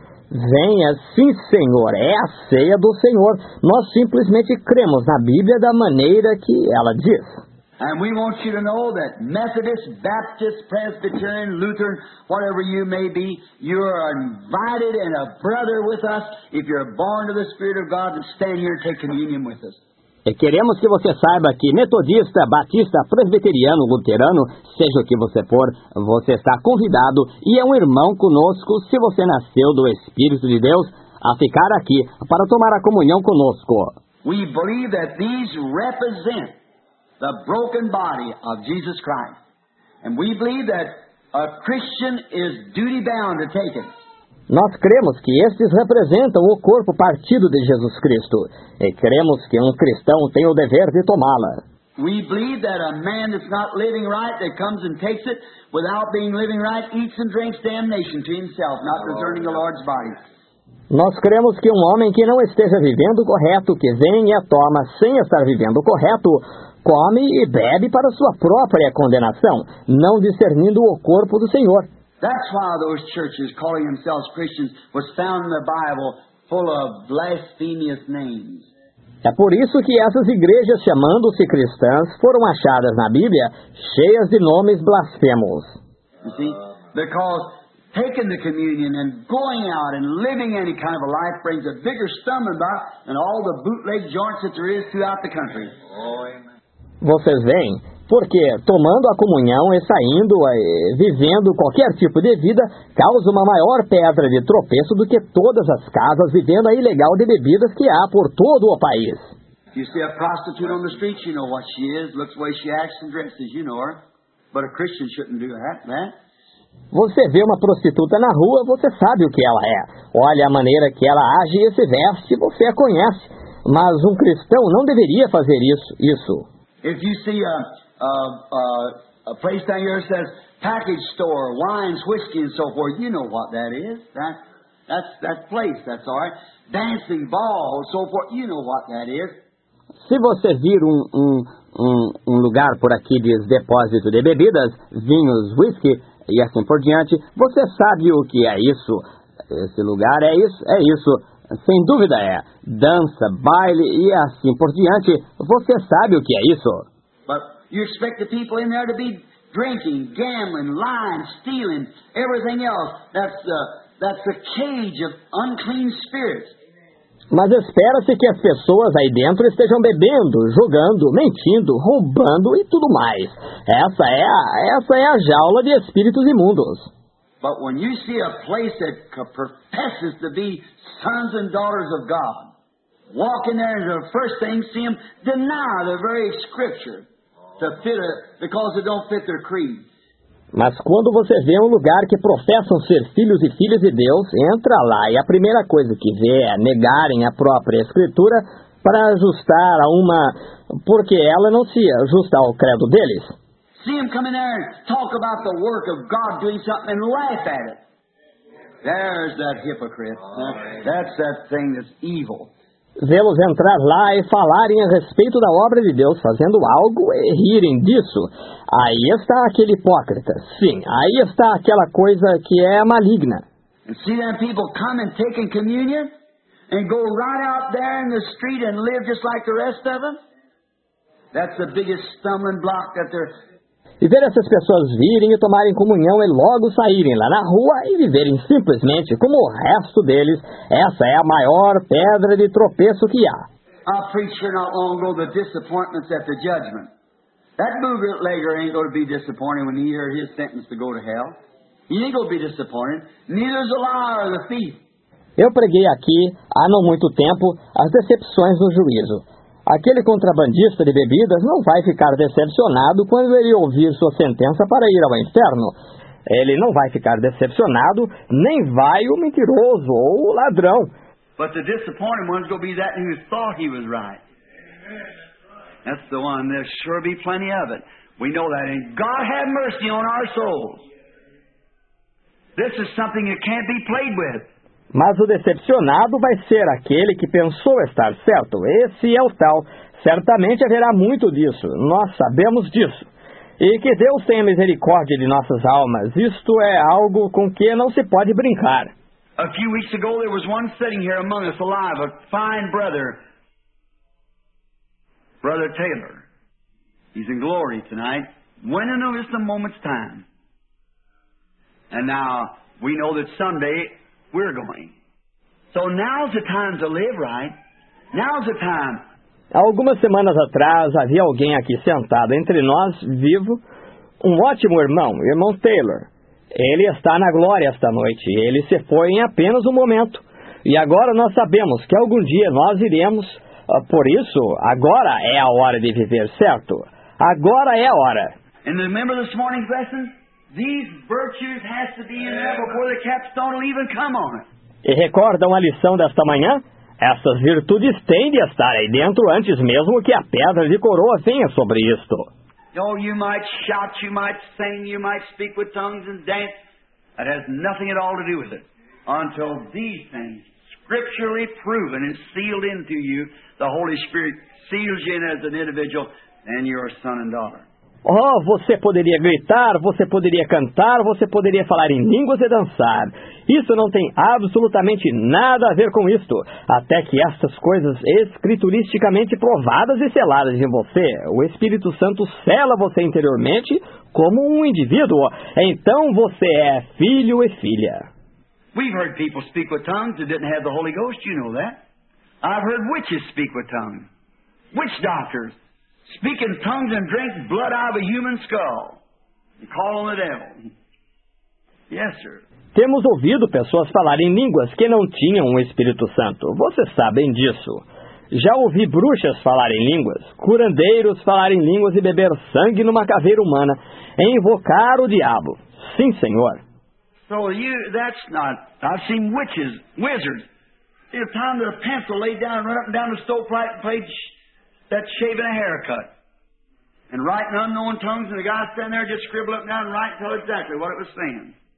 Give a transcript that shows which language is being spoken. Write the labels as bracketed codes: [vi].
[pt] Venha, sim, Senhor, é a ceia do Senhor. Nós simplesmente cremos na Bíblia da maneira que ela diz. [en] And we want you to know that Methodist, Baptist, Presbyterian, Lutheran, whatever you may be, you are invited and a brother with us if you're born of the Spirit of God and stand here and take communion with us. [pt] E queremos que você saiba que metodista, batista, presbiteriano, luterano, seja o que você for, você está convidado e é um irmão conosco se você nasceu do Espírito de Deus a ficar aqui para tomar a comunhão conosco. [en] We believe that these represent the broken body of Jesus Christ. And we believe that a Christian is duty bound to take it. [pt] Nós cremos que estes representam o corpo partido de Jesus Cristo. E cremos que um cristão tem o dever de tomá-la. [en] We believe that a man that's not living right, that comes and takes it, without being living right, eats and drinks damnation to himself, not discerning the Lord's body. [pt] Nós cremos que um homem que não esteja vivendo correto, que vem e a toma sem estar vivendo correto, come e bebe para sua própria condenação, não discernindo o corpo do Senhor. [en] That's why those churches calling themselves Christians was found in the Bible full of blasphemous names. [pt] É por isso que essas igrejas chamando-se cristãs foram achadas na Bíblia cheias de nomes blasfemos. [en] You see? Because taking the communion and going out and living any kind of a life brings a bigger stomach back than all the bootleg joints that there is throughout the country. [pt] Vocês veem? Porque tomando a comunhão e saindo, vivendo qualquer tipo de vida, causa uma maior pedra de tropeço do que todas as casas vivendo a ilegal de bebidas que há por todo o país. [en] You see a prostitute on the street, you know what she is, looks the way she acts and dresses, you know her. But a Christian shouldn't do that, né? [pt] Você vê uma prostituta na rua, você sabe o que ela é. Olha a maneira que ela age e se veste, você a conhece. Mas um cristão não deveria fazer isso. [en] If you see a place down here says package store, wines, whiskey, and so forth. You know what that is. That place, that's all right. Dancing, ball, so forth. You know what that is. [pt] Se você vir um lugar por aqui diz depósito de bebidas, vinhos, whisky e assim por diante, você sabe o que é isso. Esse lugar é isso, é isso. Sem dúvida é. Dança, baile e assim por diante, você sabe o que é isso. [en] You expect the people in there to be drinking, gambling, lying, stealing, everything else. That's a cage of unclean spirits. [pt] Mas espera-se que as pessoas aí dentro estejam bebendo, jogando, mentindo, roubando e tudo mais. Essa é a jaula de espíritos imundos. [en] But when you see a place that professes to be sons and daughters of God, walk in there and the first thing see them deny the very scripture. Because they don't fit their creed. [pt] Mas quando você vê um lugar que professam ser filhos e filhas de Deus, entra lá e a primeira coisa que vê é negarem a própria escritura para ajustar a uma, porque ela não se ajusta ao credo deles. [en] See them come in there and talk about the work of God doing something and laugh at it. There's that hypocrite. That's that thing that's evil. [pt] Vê-los entrar lá e falarem a respeito da obra de Deus, fazendo algo e rirem disso. Aí está aquele hipócrita. Sim, aí está aquela coisa que é maligna. [en] See them people come and take in communion and go right out there in the street and live just like the rest of them? That's the biggest stumbling block that they're... [pt] E ver essas pessoas virem e tomarem comunhão e logo saírem lá na rua e viverem simplesmente como o resto deles, essa é a maior pedra de tropeço que há. [en] I preached not long ago the disappointments at the judgment. That bootlegger ain't going to be disappointed when he hears his sentence to go to hell. He ain't going to be disappointed. Neither is the liar or the thief. [pt] Eu preguei aqui, há não muito tempo, as decepções do juízo. Aquele contrabandista de bebidas não vai ficar decepcionado quando ele ouvir sua sentença para ir ao inferno. Ele não vai ficar decepcionado, nem vai o mentiroso ou o ladrão. [en] But the disappointed one's going to be that who thought he was right. That's the one. There'll sure be plenty of it. We know that. And God have mercy on our souls. This is something you can't be played with. [pt] Mas o decepcionado vai ser aquele que pensou estar certo. Esse é o tal. Certamente haverá muito disso. Nós sabemos disso. E que Deus tenha misericórdia de nossas almas. Isto é algo com que não se pode brincar. [en] A few weeks ago there was one sitting here among us alive, a fine brother. Brother Taylor. He's in glory tonight. When in just a moment's time. And now we know that someday we're going. So now's the time to live, right? Now's the time. [pt] Algumas semanas atrás havia alguém aqui sentado entre nós, vivo, um ótimo irmão, irmão Taylor. Ele está na glória esta noite. Ele se foi em apenas um momento. E agora nós sabemos que algum dia nós iremos. Por isso, agora é a hora de viver, certo? Agora é a hora. [en] And remember this morning's lesson? These virtues has to be in there before the capstone will even come on it. [pt] E recordam a lição desta manhã? Essas virtudes têm de estar aí dentro antes mesmo que a pedra de coroa venha sobre isto. [en] Oh, you might shout, you might sing, you might speak with tongues and dance. That has nothing at all to do with it. Until these things, scripturally proven and sealed into you, the Holy Spirit seals you in as an individual, and you're a son and daughter. [pt] Oh, você poderia gritar, você poderia cantar, você poderia falar em línguas e dançar. Isso não tem absolutamente nada a ver com isto, até que estas coisas escrituristicamente provadas e seladas em você, o Espírito Santo sela você interiormente como um indivíduo. Então você é filho e filha. [en] We've heard people speak with tongues that didn't have the Holy Ghost, you know that. I've heard witches speak with tongues. Witch doctors. Speak in tongues and drink blood out of a human skull. And call on the devil. Yes, sir. [pt] Temos ouvido pessoas falarem línguas que não tinham o Espírito Santo. Vocês sabem disso. Já ouvi bruxas falarem línguas, curandeiros falarem línguas e beber sangue numa caveira humana, e invocar o diabo. Sim, senhor. [en] So you, that's not, I've seen witches, wizards. It's time that a pencil laid down, run up and down the stove pipe and played that shaving a haircut. And writing unknown tongues, and the guy standing there just scribble up and down and write and tell exactly what it was saying.